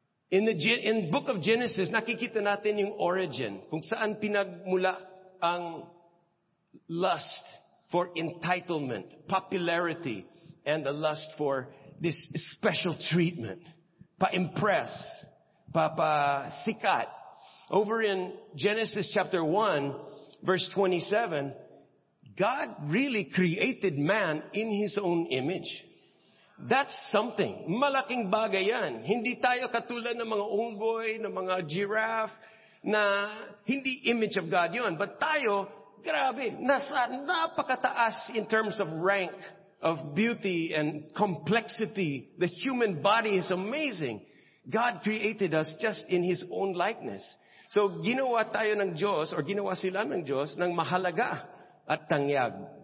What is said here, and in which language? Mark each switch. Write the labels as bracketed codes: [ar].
[en] In Book of Genesis, [tl] nakikita natin yung origin, kung saan pinagmula ang [en] lust for entitlement, popularity, and the lust for this special treatment. [tl] Pa-impress. Pa-sikat. [en] Over in Genesis chapter 1, verse 27, God really created man in His own image. That's something. [tl] Malaking bagay yan. Hindi tayo katulad ng mga unggoy, ng mga giraffe, na hindi [en] image of God [tl] yun. But tayo, Grabe, nasa napakataas [en] in terms of rank, of beauty and complexity. The human body is amazing. God created us just in His own likeness. [tl] So, ginawa tayo ng Diyos, or ginawa sila ng Diyos, ng mahalaga at tangyag.